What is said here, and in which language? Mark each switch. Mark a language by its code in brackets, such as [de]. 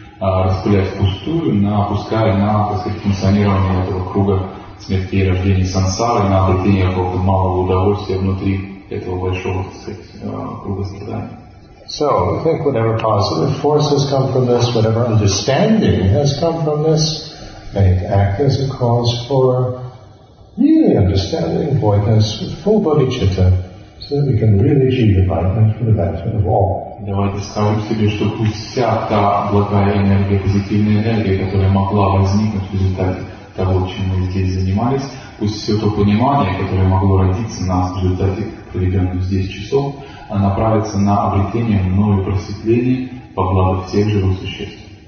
[ru] распылять впустую, опуская на, так сказать, функционирование этого круга смерти и рождения сансары, на обретение какого-то малого удовольствия внутри этого большого, так сказать, круга страданий. [en] So, I think whatever positive force has come from this, whatever understanding has come from this, may it act as a cause for really understanding voidness with full bodhicitta, so that we can really achieve enlightenment for the benefit of all. [ru] Давайте скажем себе, что пусть вся та благая энергия, позитивная энергия, которая могла возникнуть в результате того, чем мы здесь занимались, пусть все то понимание, которое могло родиться у нас в результате проведенных здесь часов, направиться на обретение мною просветления во благо всех живых существ.